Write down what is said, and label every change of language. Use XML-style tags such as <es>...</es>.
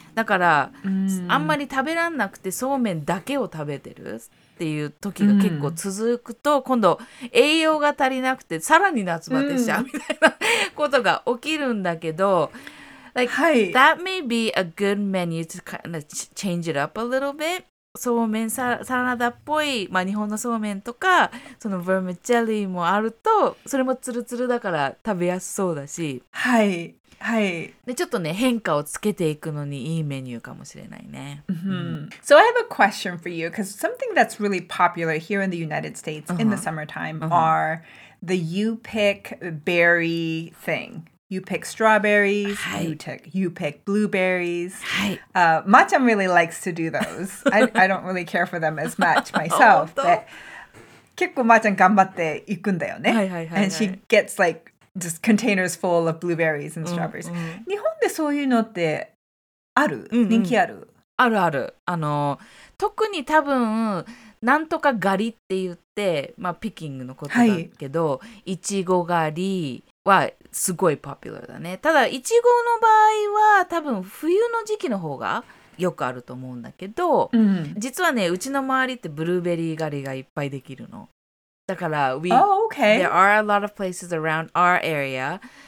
<ja>だからあんまり食べらんなくてそうめんだけを食べてるっていう時が結構続くと、今度栄養が足りなくてさらに夏バテしちゃうみたいなことが起きるんだけど、</ja> <en>that may be a good menu to kind of change it up a little bit.</en> <ja>そうめんサラダっぽい、まあ、日本のそうめんとかそのヴェルメチェリーもあると、それもツルツルだから食べやすそうだし、はいはい、でちょっとね変化をつけていくのにいいメニューかもしれないね。</ja> <en>So I have a question for you, because something that's really popular here in the United States in the summertime are the you pick berry thing. You pick strawberries, you pick blueberries. Macham really likes to do those. I don't really care for them as much myself.</en> <ja>But 結構 Macham 頑張って行くんだよね。</ja> <en>And she gets like just containers full of blueberries and strawberries.</en> <ja>日本でそういうのってある？人気ある？あるある。特に多分なんとか狩りって言って、まあ、ピッキングのことだけど、いちご狩りはすごいポピュラーだね。ただいちごの場合は多分冬の時期の方がよくあると思うんだけど、実はねうちの周りってブルーベリー狩りがいっぱいできるの。だから</ja> <en>Oh, okay. There are a lot of places around our area,</en>